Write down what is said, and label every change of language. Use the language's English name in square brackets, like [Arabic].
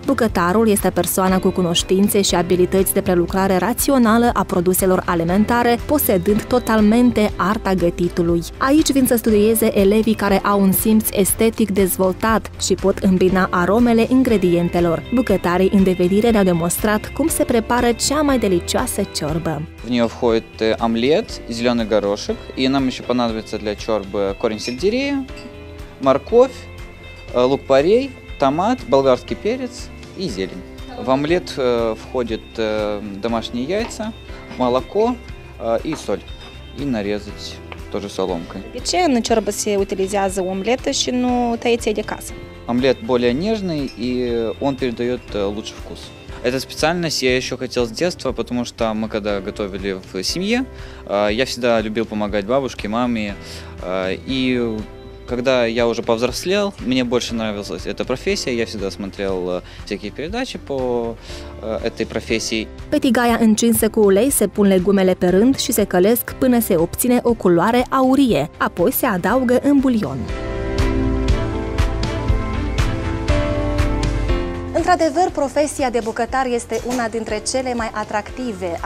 [Romanian] Bucătarul este persoana cu cunoștințe și abilități de prelucrare rațională a produselor alimentare, posedând totalmente arta gătitului. Aici vin să studieze elevii care au un simț estetic dezvoltat și pot îmbina aromele ingredientelor. Bucătarii în devenire ne-au demonstrat cum se prepară cea mai delicioasă ciorbă. [Russian] Входит омлет, зеленый горошек, и нам еще понадобится для чорбы корень сельдерея, морковь, лук-порей, томат, болгарский перец и зелень. В омлет входит домашние яйца, молоко и соль, и нарезать тоже соломкой. [Romanian] И че на чорбы се утилизиазы омлеты, ще ну таяться де каса? [Russian] Омлет более нежный, и он передает лучший вкус. Эту специальность я еще хотел с детства, потому что мы когда готовили в семье, я всегда любил помогать бабушке, маме. И когда я уже повзрослел, мне больше нравилась эта профессия, я всегда смотрел всякие передачи по этой профессии. [Romanian] Pe tigaia încinsă cu ulei se pun legumele pe rând și se călesc până se obține o culoare aurie, apoi se adaugă în bulion. Într-adevăr, profesia de bucătar este una dintre cele mai atractive.